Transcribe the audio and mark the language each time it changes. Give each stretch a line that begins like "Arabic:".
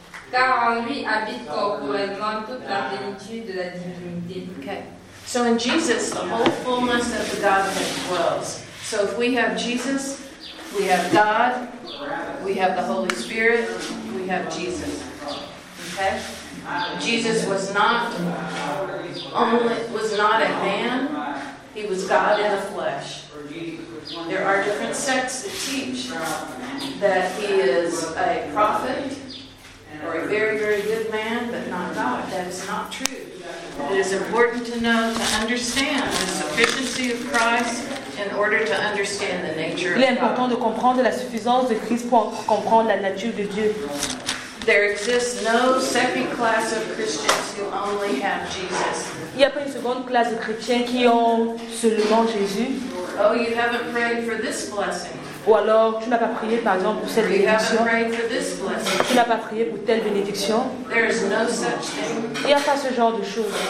French: Car en lui habite corporellement toute la plénitude de la divinité.
English: Okay. So in Jesus, the whole fullness of the Godhead dwells. So if we have Jesus, we have God, we have the Holy Spirit, we have Jesus. Okay? Jesus was not a man. He was God in the flesh. There are different sects that teach that he is a prophet or a very, very good man, but not God. That is not true. It is important to know, to understand the sufficiency of Christ in order to understand the nature of God.
French: Il est important de comprendre la suffisance de Christ pour comprendre la nature de Dieu.
English: There exists no second class of Christians who only have Jesus.
French: Il n'y a pas une seconde classe de chrétiens qui ont seulement Jésus.
English: Oh, you haven't prayed for this blessing.
French: Ou alors, tu n'as pas prié, par exemple, pour cette bénédiction. Tu n'as pas prié pour telle bénédiction.
English: There is no such thing.
French: Il n'y a pas ce genre de choses.